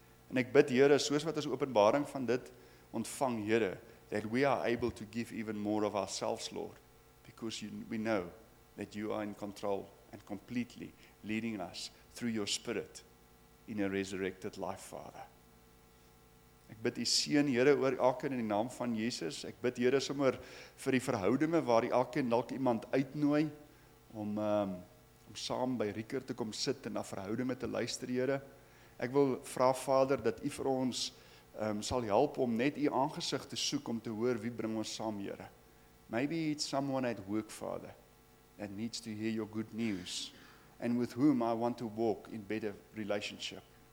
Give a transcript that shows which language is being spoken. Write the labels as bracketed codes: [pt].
[af] En ek bid, Here, soos wat ons openbaring van dit ontvang, Here, [en] that we are able to give even more of ourselves, Lord, because we know that you are in control and completely leading us through your Spirit in a resurrected life, Father. [af] Ek bid die seën, Here, oor elkeen in die naam van Jesus. Ek bid, Here, sommer vir die verhoudinge waar die elkeen dalk iemand uitnooi om saam by Rieker te kom sit en na verhoudinge te luister, Here. Ek wil vra, Vader, dat u vir ons sal help om net u aangesig te soek om te hoor wie bring ons saam, Here. [en] Maybe it's someone at work, Father, that needs to hear your good news and with whom I want to walk in better relationship.